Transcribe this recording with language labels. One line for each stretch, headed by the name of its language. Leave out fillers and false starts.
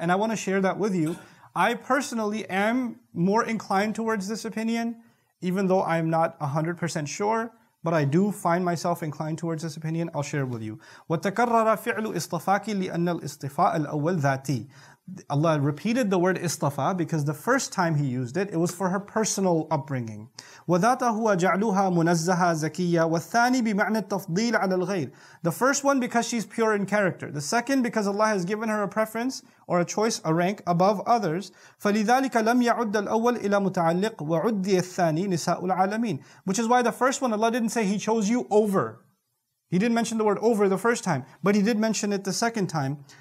English: And I want to share that with you. I personally am more inclined towards this opinion, even though I'm not 100% sure, but I do find myself inclined towards this opinion. I'll share it with you.
Arabic: وَتَكَرَّرَ فِعْلُ إِصْطَفَاكِ لِأَنَّ الْإِصْطِفَاءَ الْأَوَّلْ ذَاتِي
English: Allah repeated the word istafa because the first time He used it, it was for her personal upbringing.
Arabic: وَذَاتَهُ وَجَعْلُهَا مُنَزَّهَا زَكِيَّا وَالثَّانِي بِمَعْنَ التَّفْضِيلَ عَلَى الْغَيْرِ
English: The first one because she's pure in character. The second because Allah has given her a preference or a choice, a rank above others.
Arabic: فَلِذَلِكَ لَمْ يَعُدَّ الْأَوَّلْ إِلَى مُتَعَلِّقْ وَعُدِّيَ الثَّانِي نِسَاءُ الْعَالَمِينَ
English: Which is why the first one, Allah didn't say He chose you over. He didn't mention the word over the first time, but He did mention it the second time.